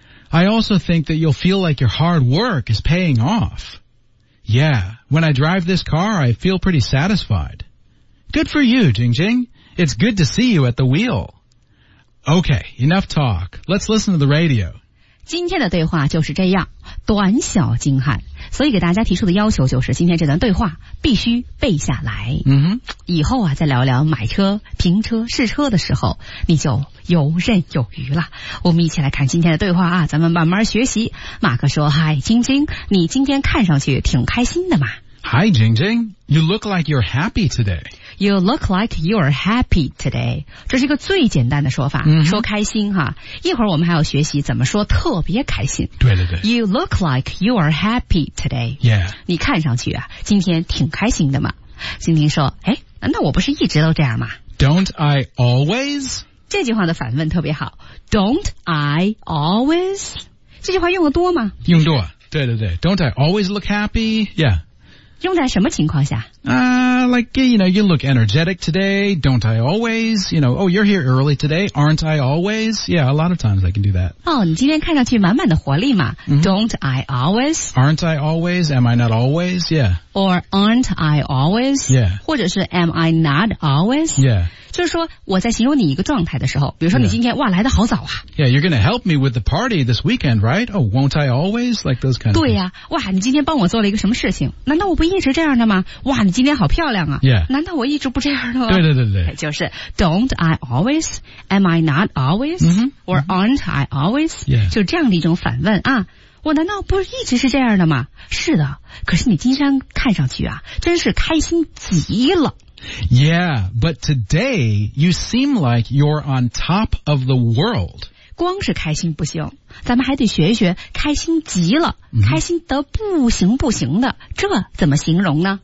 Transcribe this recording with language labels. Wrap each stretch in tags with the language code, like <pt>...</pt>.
<en>I also think that you'll feel like your hard work is paying off. Yeah, when I drive this car, I feel pretty satisfied. Good for you, Jing Jing. It's good to see you at the wheel. Okay, enough talk. Let's listen to the radio.</en> <zh>今天的对话就是这样，短小精悍。所以给大家提出的要求就是，今天这段对话必须背下来。嗯，以后啊，再聊聊买车、停车、试车的时候，你就游刃有余了。我们一起来看今天的对话啊，咱们慢慢学习。马克说：“嗨，晶晶，你今天看上去挺开心的嘛。”</zh> <en>Hi, Jingjing. You look like you're happy today. You look like you're happy today.</en> <zh>这是一个最简单的说法、 mm-hmm. 说开心哈。一会儿我们还要学习怎么说特别开心。对对对。</zh> <en>You look like you're happy today. Yeah.</en> <zh>你看上去啊今天挺开心的嘛。晶晶说诶难道我不是一直都这样吗</zh> <en>?Don't I always?</en> <zh>这句话的反问特别好。</zh> <en>Don't I always?</en> <zh>这句话用得多吗用多。对对对。</zh> <en>Don't I always look happy? Yeah.</en> <zh>用在什么情况下</zh> <en>you look energetic today, don't I always, you know, oh, you're here early today, aren't I always? Yeah, a lot of times I can do that.</en> <zh>哦、oh, 你今天看上去满满的活力嘛、 mm-hmm.</zh> <en>don't I always? Aren't I always? Am I not always? Yeah. Or aren't I always? Yeah.</en> <zh>或者是</zh> <en>am I not always? Yeah.</en> <zh>就是说我在形容你一个状态的时候比如说你今天、yeah. 哇来得好早啊。</zh> <en>Yeah, you're going to help me with the party this weekend, right? Oh, won't I always? Like those kind of things.</en> <zh>对呀、啊、哇你今天帮我做了一个什么事情难道我不一直这样的吗哇你今天好漂亮啊、</zh> <en>yeah.</en> <zh>难道我一直不这样的吗对对对对</zh> <en>就是 don't I always am I not always、 mm-hmm. or aren't I always、 yeah.</en> <zh>就这样的一种反问啊我难道不是一直是这样的吗是的可是你今天看上去啊真是开心极了</zh> <en>Yeah, but today you seem like you're on top of the world</en> <zh>光是开心不行咱们还得学一学开心极了、 mm-hmm. 开心得不行不行的这怎么形容呢</zh>